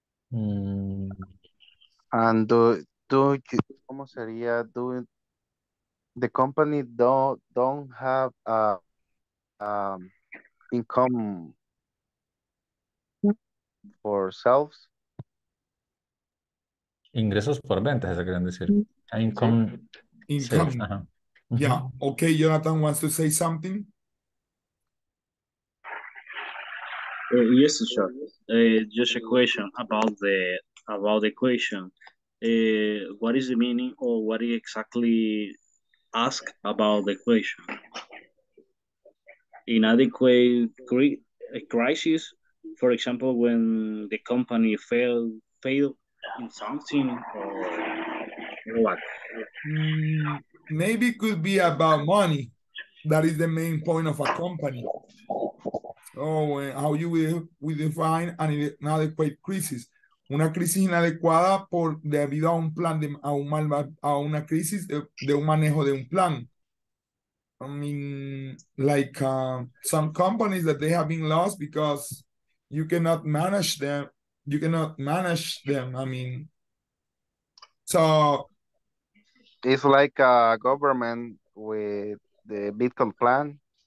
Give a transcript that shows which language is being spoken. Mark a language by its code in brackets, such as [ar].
[en] The company don't have a income for sales. [es] Ingresos por ventas, es lo que quieren decir. Income, [en] income. So, uh-huh. Yeah. Okay, Jonathan wants to say something. Yes, sir. Just a question about the equation. What is the meaning, or what do you exactly ask about the equation? Inadequate crisis, for example, when the company failed in something, or what? Maybe it could be about money. That is the main point of a company. Oh, how you will define an inadequate crisis. [es] Una crisis inadecuada por debido a un plan de a un mal a una crisis de un manejo de un plan. [en] I mean, like some companies that they have been lost because you cannot manage them. You cannot manage them. I mean, so it's like a government with the Bitcoin plan.